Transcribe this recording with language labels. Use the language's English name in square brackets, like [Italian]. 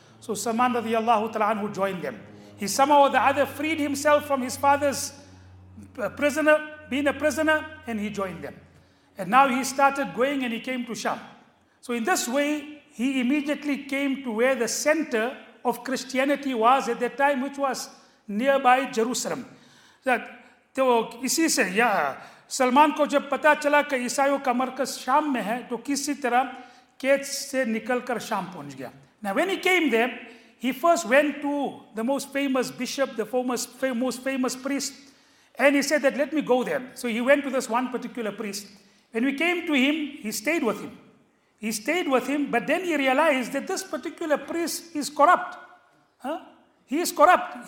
[English] So Salman radiallahu ta'ala anhu joined them. He somehow or the other freed himself from his father's prisoner, being a prisoner, and he joined them. And now he started going and he came to Sham. So in this way, he immediately came to where the center of Christianity was at that time, which was nearby Jerusalem. That [Urdu] تو اسی سے یا سلمان کو جب پتا چلا کہ عیسائیوں کا مرکز شام میں ہے تو کسی طرح کیچ سے نکل کر شام پہنچ گیا. [English] Now when he came there, he first went to the most famous bishop, the most famous priest, And he said that, let me go there. So he went to this one particular priest. When we came to him, he stayed with him. He stayed with him, but then he realized that this particular priest is corrupt. Huh? He is corrupt.